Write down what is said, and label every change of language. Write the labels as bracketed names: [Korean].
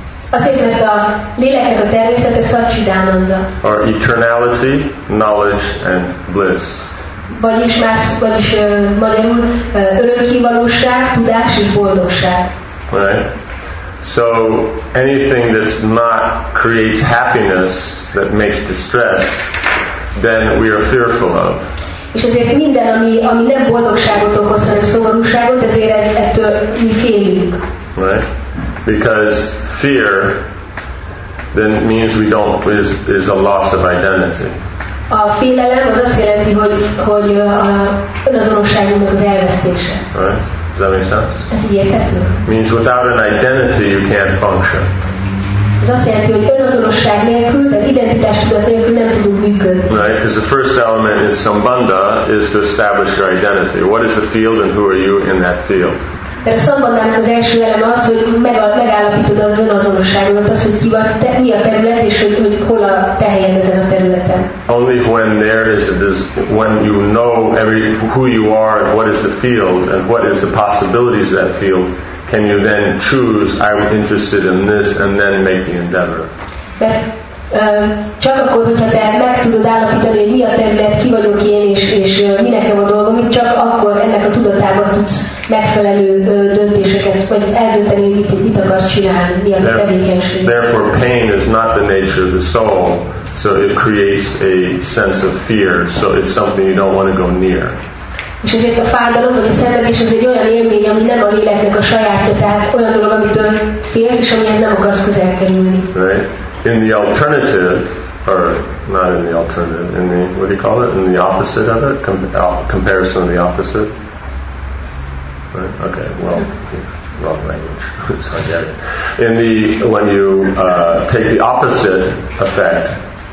[Hungarian] Azért, mert a léleknek a természete Satchidananda. [English] Or eternality, knowledge and bliss. [Hungarian] Vagyis más, vagyis magyarul örökké valóság, tudás és boldogság. [English] Right. So anything that's not creates happiness that makes distress, then we are fearful of. [Hungarian] És ezért minden, ami nem boldogságot okoz, hanem szomorúságot, ezért ettől mi félünk. [English] Right? Because fear then means we don't is a loss of identity. [Hungarian] A félelem az azt jelenti, hogy önazonosságunknak az elvesztése. [English] Right? Does that make sense? [Hungarian] Ez így érthető. [English] Means without an identity you can't function. [Hungarian] Ez azt jelenti, hogy önazonosság nélkül, tehát identitás tudat nélkül nem tudunk működni. [English] Right, because the first element in Sambandha is to establish your identity. What is the field and who are you in that field? [Hungarian] Mert a Sambandhának az első elem az, hogy megállapítod az önazonosságot, az, hogy ki vagy, te, mi a terület, és hogy hol a te helyed ezen a területen. [English] Only when there is it is when you know every who you are and what is the field and what is the possibilities of that field, can you then choose I'm interested in this and then make the endeavor. [Hungarian] Mert csak akkor, hogyha te meg tudod állapítani, hogy mi a terület, ki vagyok én, és mi nekem a dolgom, csak akkor ennek a tudatában tudsz megfelelő döntéseket, vagy eldönteni, hogy mit akarsz csinálni, mi a tevékenység. [English] Therefore pain is not the nature of the soul. So it creates a sense of fear. So it's something you don't want to go near. [Hungarian] És ezért a fájdalom vagy a szenvedés az egy olyan élmény, ami nem a léleknek a sajátja, tehát olyan dolog, amitől félsz, és amihez nem akarsz közel kerülni. [English] Right. In the alternative, or not in the alternative, in the, what do you call it? In the opposite of it? Comparison of the opposite? Right? Okay, well, wrong language. So I get it. In the, when you take the opposite effect,